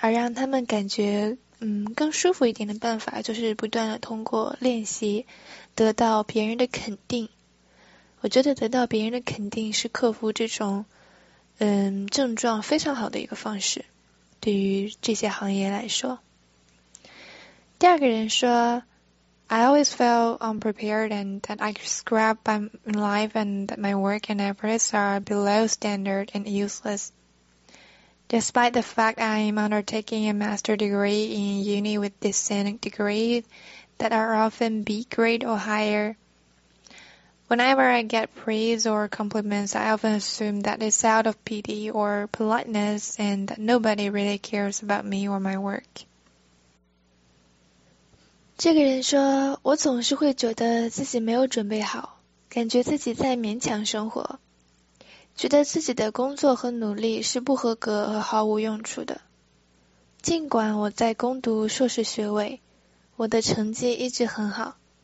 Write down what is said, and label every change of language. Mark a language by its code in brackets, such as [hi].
[zh] 而让他们感觉更舒服一点的办法，就是不断的通过练习得到别人的肯定。我觉得得到别人的肯定是克服这种症状非常好的一个方式，对于这些行业来说。第二个人说， [en] I always feel unprepared and that I scrap my life and that my work and efforts are below standard and uselessDespite the fact I'm undertaking a master degree in uni with decent degrees that are often B grade or higher. Whenever I get praise or compliments, I often assume that it's out of pity or politeness and that nobody really cares about me or my work. [zh] 这个人说，我总是会觉得自己没有准备好，感觉自己在勉强生活。觉得自己的工作和努力是不合格和毫无用处的。尽管我在攻读硕士学位，我的成绩一直很好。